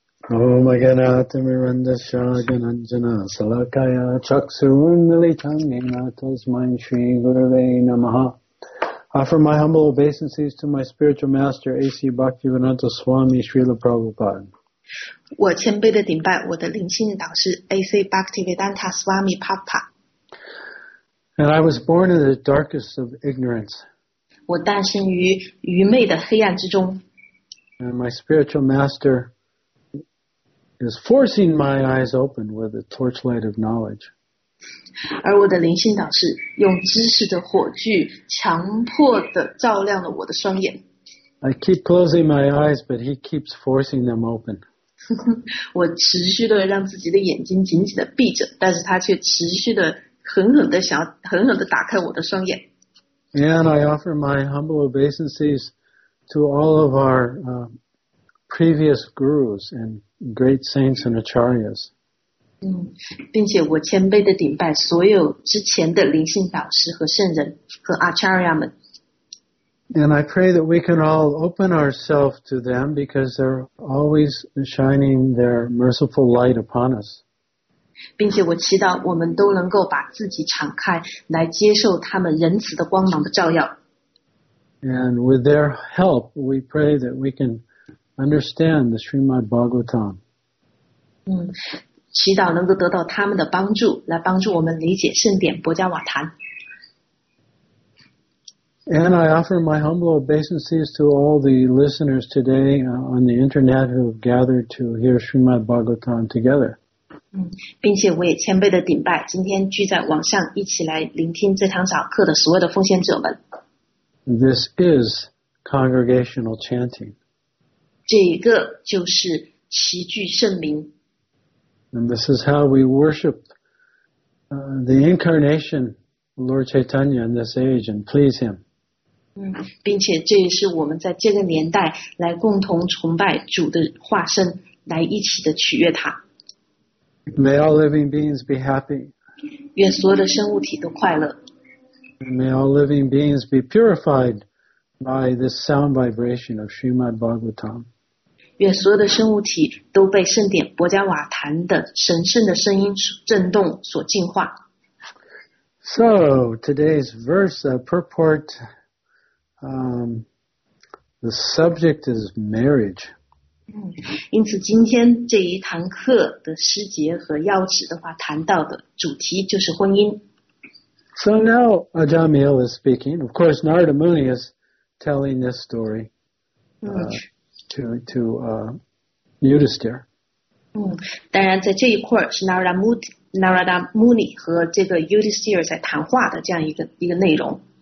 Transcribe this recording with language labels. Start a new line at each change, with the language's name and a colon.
Sanskrit: Om Aganata Mirandasya Gananjana Salakaya Chaksurumilitam Ninatas Main Shri Gurave Namaha.
English: Offer my humble obeisances to my spiritual master, A.C. Bhaktivedanta Swami Srila Prabhupada.
Chinese: 我谦卑地顶拜我的灵性导师 A.C. Bhaktivedanta Swami Prabhupada.
English: And I was born in the darkest of ignorance.
Chinese: 我诞生于愚昧的黑暗之中。
English: And my spiritual master... is forcing my eyes open with the torchlight of knowledge.
Chinese: 而我的灵性导师用知识的火炬强迫地照亮了我的双眼。
English: I keep closing my eyes, but he keeps forcing them open.
Chinese: 我持续地让自己的眼睛紧紧地闭着，但是他却持续地狠狠地想要狠狠地打开我的双眼。
English: And I offer my humble obeisances to all of our, previous gurus and great saints and acharyas.
Chinese: 并且我谦卑地顶拜所有之前的灵性导师和圣人和 acharya 们。
English: And I pray that we can all open ourselves to them because they're always shining their merciful light upon us.
Chinese: 并且我祈祷我们都能够把自己敞开来接受他们仁慈的光芒的照耀。
English: And with their help, we pray that we can understand the Srimad Bhagavatam.
Chinese: 祈祷能够得到他们的帮助，来帮助我们理解圣典博迦瓦坛。
English: And I offer my humble obeisances to all the listeners today on the internet who have gathered to hear Srimad Bhagavatam together.
Chinese: 并且我也谦卑地顶拜今天聚在网上一起来聆听这堂早课的所有的奉献者们。
English: This is congregational chanting.
Chinese: 这一个就是齐聚圣名。
English: And this is how we worship the incarnation of Lord Chaitanya in this age and please him.
Chinese: 并且这也是我们在这个年代来共同崇拜主的化身，来一起的取悦他。
English: May all living beings be happy.
Chinese: 愿所有的生物体都快乐。
English: May all living beings be purified by this sound vibration of Srimad Bhagavatam.
Chinese: 愿所有的生物体都被圣典博迦瓦坛的神圣的声音震动所净化。
English: So, today's verse, purport, the subject is marriage.
Chinese: 因此今天这一堂课的诗节和要旨的话谈到的主题就是婚姻。
English: So now Ajamil is speaking. Of course, Narada Muni is telling this story to Yudhisthira.
Chinese: 当然在这一块是 Narada Muni 和这个 Yudhisthira 在谈话的这样一个内容。